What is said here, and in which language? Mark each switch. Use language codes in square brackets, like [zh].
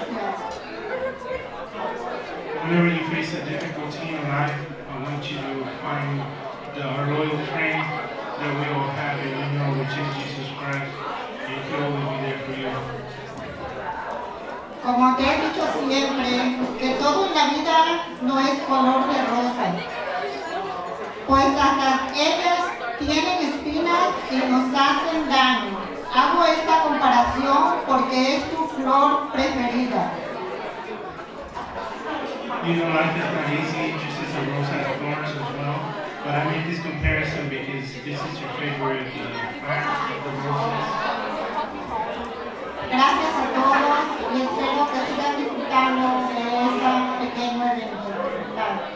[en] Whenever you face a difficulty in life, I want you to find our loyal friend that we all have in you know, which is Jesus Christ, and he will be there for you. [es] Como te he dicho siempre, que todo en la vida no es color de rosa, pues hasta ellas tienen espinas y nos hacen daño. Hago esta comparación porque es tu flor preferida. [en] You know, life is not easy, just as a rose has thorns as well. But I made this comparison because this is your favorite, the roses. [es] Gracias a todos y espero que sigan disfrutando de esta pequeña